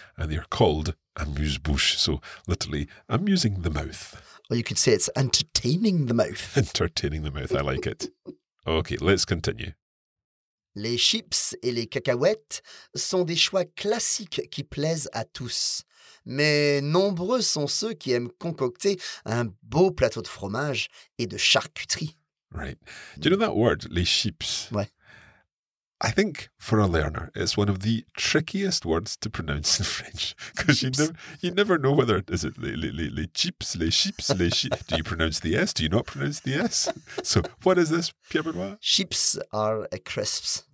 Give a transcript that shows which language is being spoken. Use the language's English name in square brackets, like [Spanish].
[English] And they're called amuse-bouche, so literally amusing the mouth. Or you could say it's entertaining the mouth. Entertaining the mouth, I like it. Okay, let's continue. [French] Les chips et les cacahuètes sont des choix classiques qui plaisent à tous. Mais nombreux sont ceux qui aiment concocter un beau plateau de fromage et de charcuterie. [English] Right. Do you know that word, les chips? [French] Ouais. [English] I think for a learner, it's one of the trickiest words to pronounce in French because you never know whether is it les chips. Do you pronounce the S? Do you not pronounce the S? So what is this, Pierre Benoit? Chips are crisps.